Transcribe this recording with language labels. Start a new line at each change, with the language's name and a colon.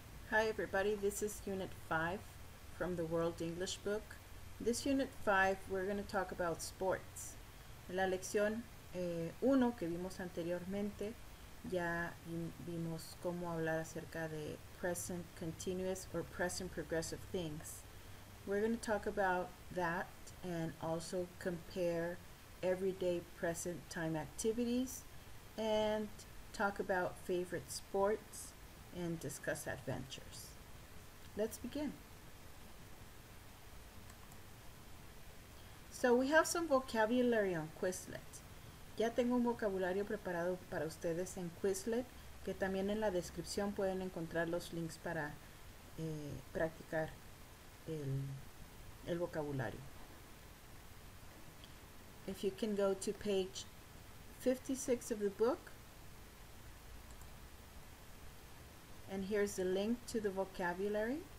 English: Hi everybody, this is Unit 5 from the World English Book. This Unit 5, we're going to talk about sports.
Spanish: En la lección 1 que vimos anteriormente, ya vimos cómo hablar acerca de
English: present continuous or present progressive things. We're going to talk about that and also compare everyday present time activities and talk about favorite sports and discuss adventures. Let's begin. So we have some vocabulary on Quizlet.
Spanish: Ya tengo un vocabulario preparado para ustedes en Quizlet, que también en la descripción pueden encontrar los links para practicar el vocabulario.
English: If you can go to page 56 of the book, and here's the link to the vocabulary.